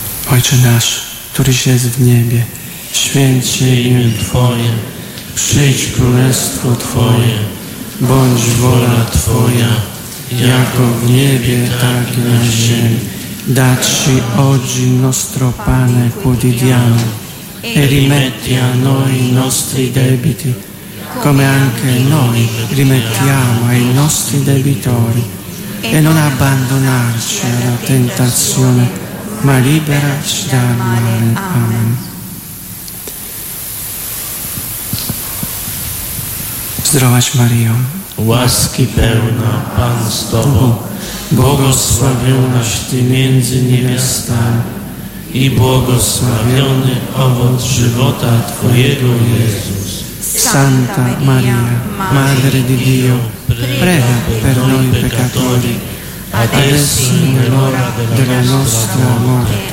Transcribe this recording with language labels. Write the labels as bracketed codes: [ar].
[pl] Ojcze nasz, któryś jest w niebie, święć się imię Twoje, przyjdź królestwo Twoje, bądź wola Twoja, jako w niebie, tak i na ziemi. [it] Dacci oggi il nostro pane quotidiano e rimetti a noi i nostri debiti, come anche noi rimettiamo ai nostri debitori, e non abbandonarci alla tentazione, ma liberaci dal male. Amen. [pl] Zdrowaś Mario, łaski pełna, Pan z Tobą, błogosławionaś Ty między niewiastami i błogosławiony owoc żywota Twojego, Jezus. [it] Santa Maria, Madre di Dio, prega per noi peccatori, adesso è l'ora della nostra morte.